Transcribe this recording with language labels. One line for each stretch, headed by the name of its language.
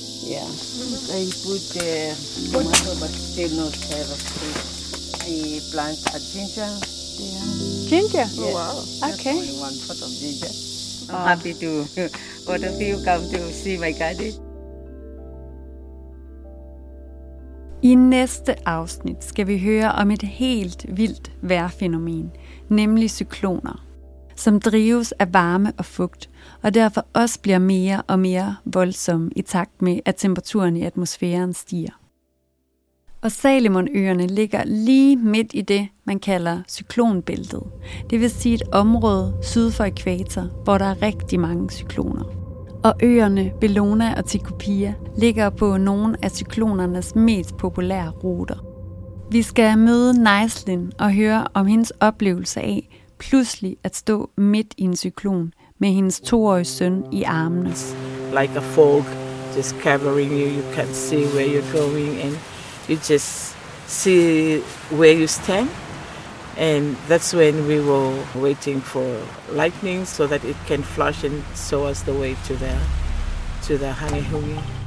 English: Ja, I put tomato, but still not have a fruit. I plant a ginger. Yeah. Ginger? Yes. Oh, wow. Okay. Only one pot of ginger. I'm happy to. What if you come to see my garden?
Danish: I næste afsnit skal vi høre om et helt vildt vejrfænomen, nemlig cykloner, som drives af varme og fugt, og derfor også bliver mere og mere voldsomme i takt med, at temperaturen i atmosfæren stiger. Og Salomonøerne ligger lige midt i det, man kalder cyklonbæltet. Det vil sige et område syd for ækvator, hvor der er rigtig mange cykloner. Og øerne Bellona og Tikopia ligger på nogle af cyklonernes mest populære ruter. Vi skal møde Nicelyn og høre om hendes oplevelse af pludselig at stå midt i en cyklon med hendes 2-årige søn i armene.
English: Like a fog just covering you, you can't see where you're going in. You just see where you stand, and that's when we were waiting for lightning so that it can flash and show us the way to the Hanehunge.